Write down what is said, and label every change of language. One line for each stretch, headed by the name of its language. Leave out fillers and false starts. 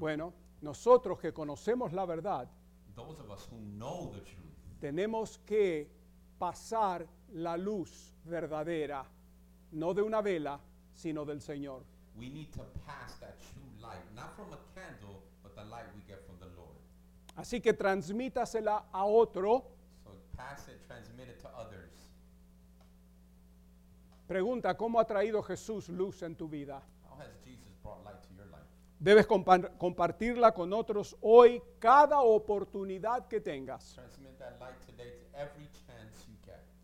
Spanish: Bueno, nosotros que conocemos la verdad,
English: truth,
Spanish: tenemos que pasar la luz verdadera, no de una vela, sino del Señor.
English: We need to pass that true light, not from a candle, but the light we get from the Lord.
Spanish: Así que transmítasela a otro.
English: So pass it, transmit it to others.
Spanish: Pregunta, ¿cómo ha traído Jesús luz en tu vida?
English: How has Jesus brought light to your life?
Spanish: Debes compartirla con otros hoy, cada oportunidad que tengas.
English: Transmit that light today to every chance you get.